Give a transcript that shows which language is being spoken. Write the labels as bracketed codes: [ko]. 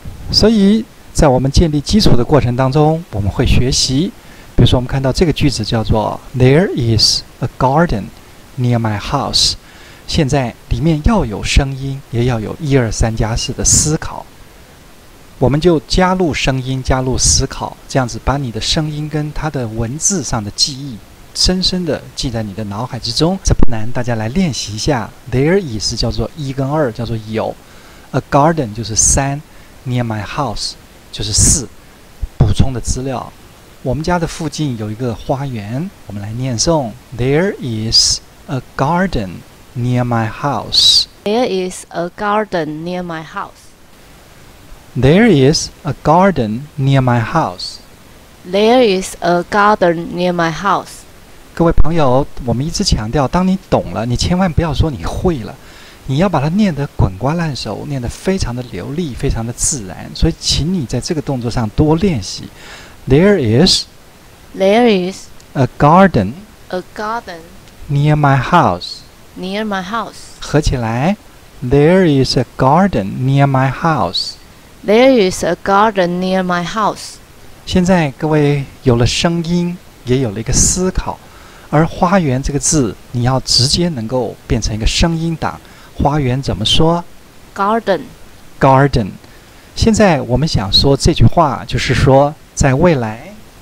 [zh] 所以在我们建立基础的过程当中，我们会学习，比如说我们看到这个句子叫做 [en] There is a garden near my house， [zh] 现在里面要有声音，也要有一二三加四的思考，我们就加入声音，加入思考，这样子把你的声音跟它的文字上的记忆深深地记在你的脑海之中，这不难，大家来练习一下。 [en] There is [zh] 叫做一跟二，叫做有， [en] A garden [zh] 就是三， [en] Near my house [zh] 就是四。补充的资料，我们家的附近有一个花园，我们来念诵。 [en] There is a garden near my house. There is a garden near my house. There is a garden near my house. There is a garden near my house. [zh] 各位朋友，我们一直强调，当你懂了，你千万不要说你会了，你要把它念得滚瓜烂熟，念得非常的流利，非常的自然。所以请你在这个动作上多练习。 [en] There is a garden. A garden. Near my house. Near my house. [zh] 合起来， [en] There is a garden near my house. There is a garden near my house. [zh] 现在各位有了声音，也有了一个思考，而花园这个字你要直接能够变成一个声音档。花园怎么说？ [en] Garden. Garden. [zh] 现在我们想说这句话，就是说在未来，